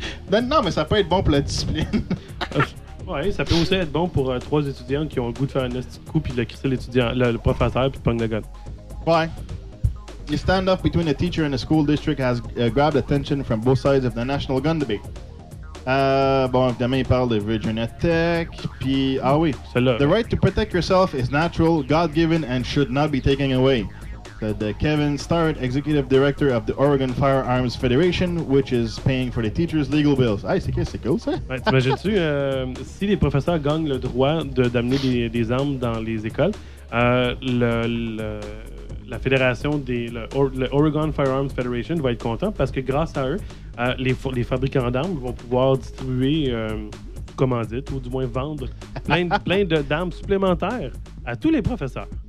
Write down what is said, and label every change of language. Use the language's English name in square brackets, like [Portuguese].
[French] Ben non, mais ça peut être bon pour la discipline. Ouais, ça peut aussi être bon pour trois étudiants qui ont le goût de faire un petit coup puis de crisser l'étudiant, le professeur puis de prendre le gun. Ouais. [English] The standoff between a teacher and a school district has grabbed attention from both sides of the national gun debate. [French] Bon, évidemment, il parle de Virginia Tech, puis... Ah oui, celle-là. [English] The right to protect yourself is natural, God-given, and should not be taken away. Said Kevin Starrett, executive director of the Oregon Firearms Federation, which is paying for the teachers' legal bills. [French] Ah, c'est cool, ça? Ben, t'imagines-tu, si les professeurs gagnent le droit d'amener des armes dans les écoles, la fédération le Oregon Firearms Federation va être content parce que grâce à eux, les fabricants d'armes vont pouvoir distribuer, comment dire, ou du moins vendre plein d'armes supplémentaires à tous les professeurs.